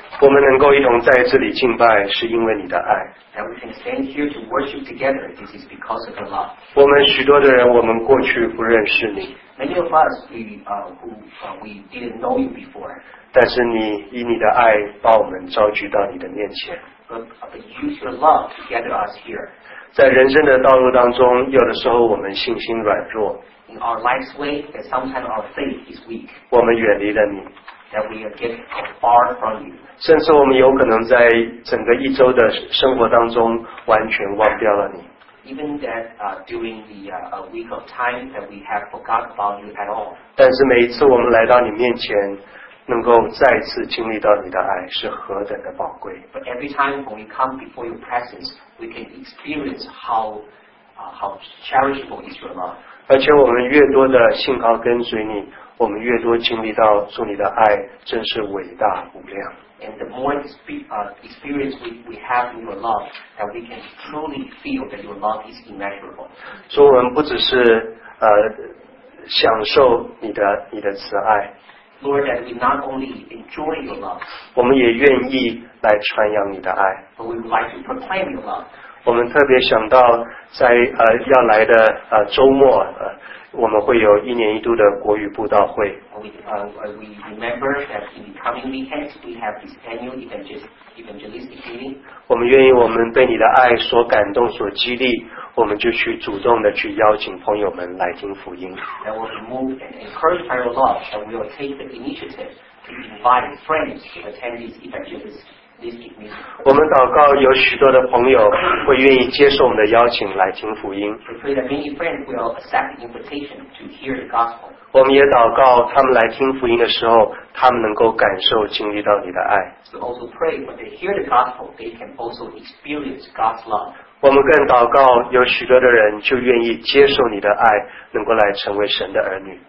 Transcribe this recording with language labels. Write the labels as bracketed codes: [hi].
[zh] 我们能够一同在这里敬拜，是因为你的爱。 [en] That we can stand here to worship together, this is because of your love. [zh] 我们许多的人，我们过去不认识你。 [en] Many of us we didn't know you before. [zh] 但是你以你的爱把我们召聚到你的面前。 [en] But use your love to gather us here. [zh] 在人生的道路当中，有的时候我们信心软弱。 [en] In our life's way, that sometimes our faith is weak. [zh] 我们远离了你。 [en] That we get far from you. [zh] 甚至我们有可能在整个一周的生活当中完全忘掉了你。 [en] Even that during the week of time that we have forgot about you at all. [zh] 但是每一次我们来到你面前，能够再次经历到你的爱是何等的宝贵。 [en] But every time when we come before your presence, we can experience how cherishable is your love. [zh] 而且我们越多的信靠跟随你，我们越多经历到主你的爱真是伟大无量。 [en] And the more experience we have in your love, that we can truly feel that your love is immeasurable. [zh] 所以我们不只是享受你的慈爱。 [en] Lord, that we not only enjoy your love. [zh] 我们也愿意来传扬你的爱。 [en] But we would like to proclaim your love. [zh] 我们特别想到在要来的周末我们会有一年一度的国语布道会。 [en] We remember that in the coming weekends we have this annual evangelistic meeting. [zh] 我们愿意我们被你的爱所感动所激励，我们就去主动的去邀请朋友们来听福音。 [en] That will be moved and encouraged by your love, and we will take the initiative to invite friends to attend this evangelistic meeting. [zh] 我们祷告有许多的朋友会愿意接受我们的邀请来听福音。 [en] We pray that many friends will accept the invitation to hear the gospel. [zh] 我们也祷告他们来听福音的时候，他们能够感受经历到你的爱。 [en] We also pray when they hear the gospel, they can also experience God's love. [zh] 我们更祷告有许多的人就愿意接受你的爱，能够来成为神的儿女。